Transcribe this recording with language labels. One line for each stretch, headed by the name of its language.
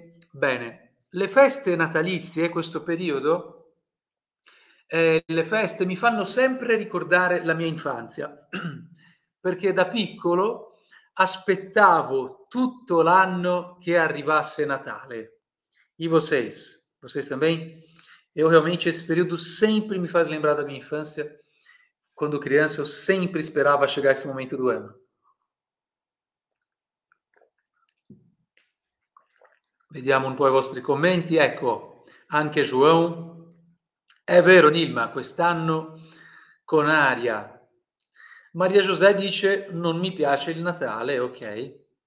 Italian: Bene, le feste natalizie, questo periodo, le feste mi fanno sempre ricordare la mia infanzia, perché da piccolo aspettavo tutto l'anno che arrivasse Natale.
Portuguese: E vocês também? Eu realmente, esse período sempre me faz lembrar da minha infância. Quando criança, eu sempre esperava chegar esse momento do ano.
Italian: Vediamo un po' i vostri commenti. Ecco, anche João. È vero, Nilma, quest'anno con aria. Maria José dice: non mi piace il Natale, ok.